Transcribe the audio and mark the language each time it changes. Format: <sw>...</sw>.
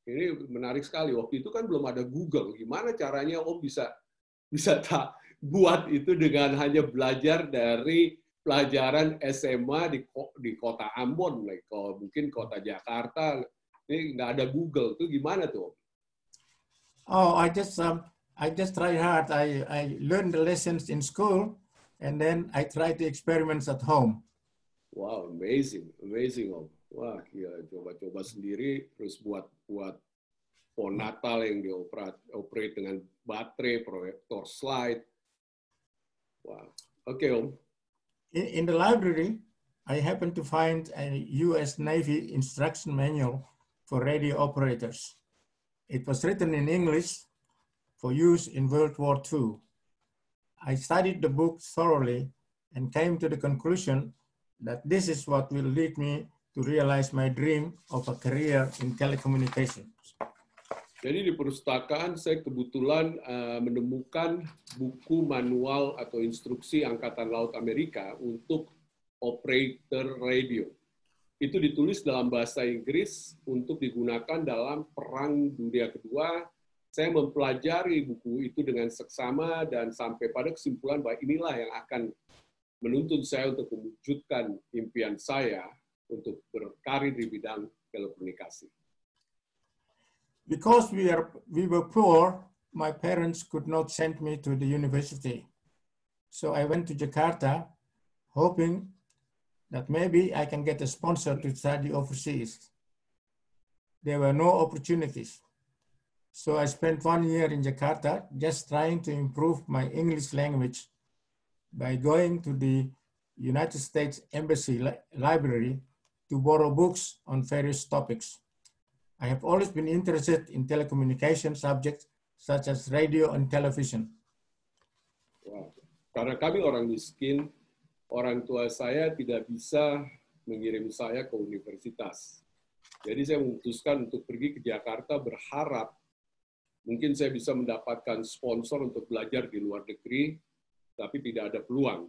<id>Ini menarik sekali. Waktu itu kan belum ada Google. Gimana caranya Om bisa tak buat itu dengan hanya belajar dari pelajaran SMA di kota Ambon, like mungkin kota Jakarta. Ini nggak ada Google tuh, gimana tuh?</id> <en>Oh, I just try hard. I learn the lessons in school, and then I try the experiments at home. Wow, amazing, Om.</en> <id>Wah, ya coba-coba sendiri terus buat pohon natal yang dioperate dengan baterai, proyektor slide.</id> <en>Wow. Okay, Om. In the library, I happened to find a U.S. Navy instruction manual for radio operators. It was written in English for use in World War II. I studied the book thoroughly and came to the conclusion that this is what will lead me to realize my dream of a career in telecommunications.</en> <id>Jadi di perpustakaan saya kebetulan menemukan buku manual atau instruksi Angkatan Laut Amerika untuk operator radio. Itu ditulis dalam bahasa Inggris untuk digunakan dalam Perang Dunia Kedua. Saya mempelajari buku itu dengan seksama dan sampai pada kesimpulan bahwa inilah yang akan menuntun saya untuk mewujudkan impian saya untuk berkarir di bidang telekomunikasi.</id> <en>Because we were poor, my parents could not send me to the university. So I went to Jakarta, hoping that maybe I can get a sponsor to study overseas. There were no opportunities. So I spent 1 year in Jakarta just trying to improve my English language by going to the United States Embassy Library to borrow books on various topics. I have always been interested in telecommunication subjects such as radio and television. Wow.</en> <id>Karena kami orang miskin, orang tua saya tidak bisa mengirim saya ke universitas. Jadi saya memutuskan untuk pergi ke Jakarta berharap mungkin saya bisa mendapatkan sponsor untuk belajar di luar negeri, tapi tidak ada peluang.</id>